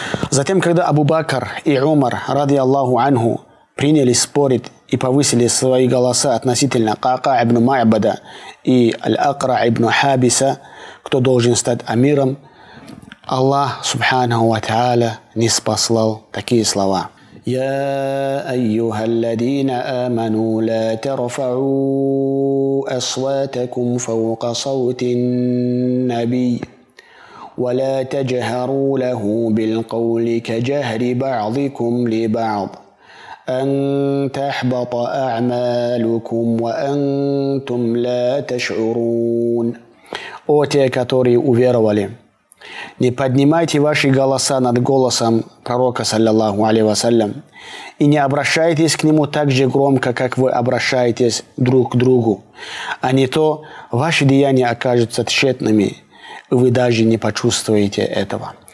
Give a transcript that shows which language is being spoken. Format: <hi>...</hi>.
<ru>Затем, когда Абу Бакр и Умар, ради Аллаху анху, принялись спорить и повысили свои голоса относительно Кака ибн Ма'бада и Аль-Акра ибн Хабиса, кто должен стать амиром, Аллах субханаху ва тааля не спаслал такие слова.</ru> <ar>يا أيها الذين آمنوا لا ترفعوا أصواتكم فوق صوت النبي ولا تجهروا له بالقول كجهر بعضكم لبعض أن تحبط أعمالكم وأنتم لا تشعرون.</ar> <ru>أو те, которые уверовали, не поднимайте ваши голоса над голосом пророка, саллиллаху алейхи вассалям, и не обращайтесь к нему так же громко, как вы обращаетесь друг к другу, а не то ваши деяния окажутся тщетными, и вы даже не почувствуете этого.</ru>